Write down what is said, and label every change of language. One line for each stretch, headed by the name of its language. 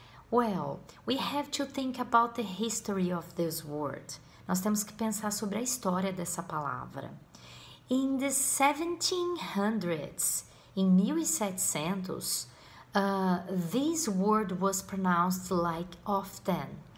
English: Well, we have to think about the history of this word.
Portuguese: Nós temos que pensar sobre a história dessa palavra.
English: In the 1700s,
Portuguese: em 1700,
English: this word was pronounced like often.